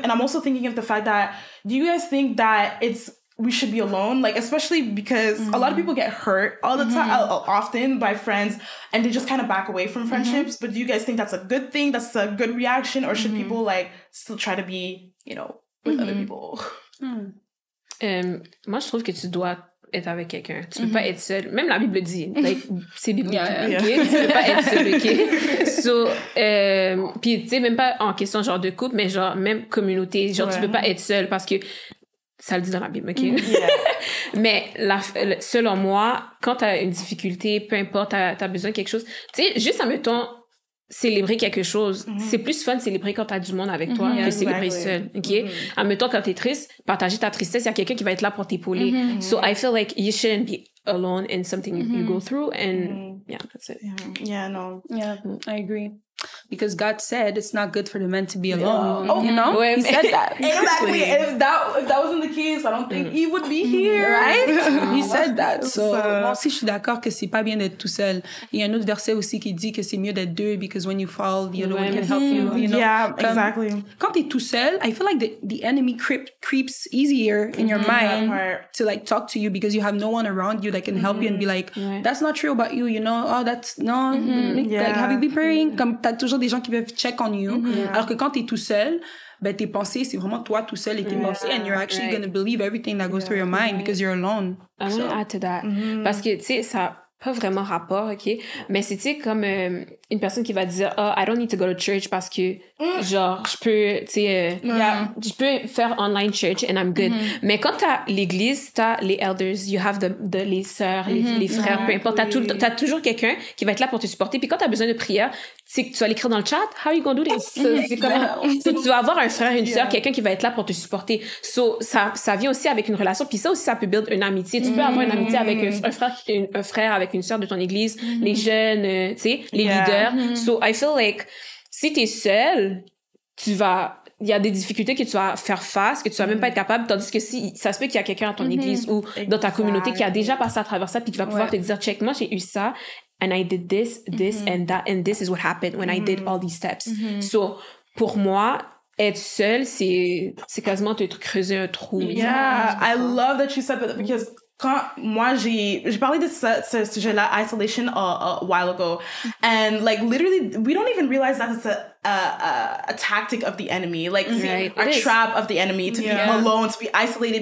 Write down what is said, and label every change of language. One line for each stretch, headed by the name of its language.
English: And I'm also thinking of the fact that, do you guys think that we should be alone? Like, especially because mm-hmm. a lot of people get hurt all the mm-hmm. time, often by friends, and they just kind of back away from friendships. Mm-hmm. But do you guys think that's a good thing? That's a good reaction? Or should mm-hmm. people, like, still try to be, you know, with mm-hmm. other people? Mm.
French: Moi, je trouve que tu dois être avec quelqu'un. Tu mm-hmm. peux pas être seul. Même la Bible dit, like, c'est biblique.
English: Yeah, yeah.
French: Okay? Yeah. Tu peux pas être seul, ok? So, puis tu sais, même pas en question genre de couple, mais genre, même communauté. Genre, ouais. tu peux pas être seul parce que ça le dit dans la Bible, ok? Yeah. Mais selon moi, quand t'as une difficulté, peu importe, t'as besoin de quelque chose. Tu sais, juste en mettant célébrer quelque chose, mm-hmm. c'est plus fun de célébrer quand t'as du monde avec toi mm-hmm. que yeah, célébrer exactly. seul, ok? Mm-hmm. En même temps, quand t'es triste, partager ta tristesse, il y a quelqu'un qui va être là pour t'épauler. Mm-hmm.
English: So I feel like you shouldn't be alone in something mm-hmm. you go through and mm-hmm. yeah, that's it. Yeah, no. Yeah, I agree. Because God said it's not good for the men to be alone. Yeah. Oh, you know? He said that. Exactly. If that wasn't the case, I don't think mm-hmm. he would be here, mm-hmm. right? Mm-hmm. He said that.
French: So, moi aussi, je suis d'accord que c'est pas bien d'être tout seul. Il y a un autre verset aussi qui dit que c'est mieux d'être deux
English: because when you fall, the other one can help you, you know? Yeah, exactly.
French: Quand t'es tout seul,
English: I feel like the enemy creeps easier in your mm-hmm. mind to, like, talk to you because you have no one around you that can help mm-hmm. you and be like, that's not true about you, you know? Oh, that's, no. Mm-hmm. Yeah. Like, have you been praying? Mm-hmm.
French: Comme, t'as toujours des gens qui peuvent
English: check on you. Mm-hmm. Yeah.
French: Alors que quand t'es tout seul, ben tes pensées, c'est vraiment toi tout seul et tes pensées.
English: And you're actually going to believe everything that goes through your mind because you're alone. I'm going to add to that. Mm-hmm.
French: Parce que, tu sais, ça n'a pas vraiment rapport, OK? Mais c'est, tu sais, comme une personne qui va dire, «
English: Oh, I don't need to go to church
French: parce que, genre, je peux, tu sais, je peux faire
English: online church and I'm good.
French: Mm-hmm. » Mais quand t'as l'église, t'as les elders,
English: you have
French: les sœurs, mm-hmm. les frères, peu importe. T'as toujours quelqu'un qui va être là pour te supporter. Puis quand t'as besoin de prière, c'est que tu vas l'écrire dans le chat,
English: how are you gonna do this?
French: C'est comme, tu vas avoir un frère, une sœur, quelqu'un qui va être là pour te supporter. So, ça vient aussi avec une relation, puis ça aussi, ça peut build une amitié. Tu peux avoir une amitié avec un frère, avec une sœur de ton église, mm-hmm. les jeunes, tu sais, les leaders. Mm-hmm.
English: So, I feel like,
French: si t'es seule, il y a des difficultés que tu vas faire face, que tu vas même pas être capable, tandis que si, ça se peut qu'il y a quelqu'un dans ton mm-hmm. église ou exact. Dans ta communauté qui a déjà passé à travers ça, puis qui va pouvoir te dire, check, moi, j'ai eu ça.
English: And I did this, mm-hmm. and that, and this is what happened when mm-hmm. I did all these steps. Mm-hmm.
French: So, pour moi, être seule, c'est quasiment te creuser un trou.
English: Yeah, I love that you said that because
French: quand moi j'ai parlé de ce sujet-là,
English: isolation, a while ago, and like literally, we don't even realize that it's a tactic of the enemy, like trap of the enemy to be alone, to be isolated.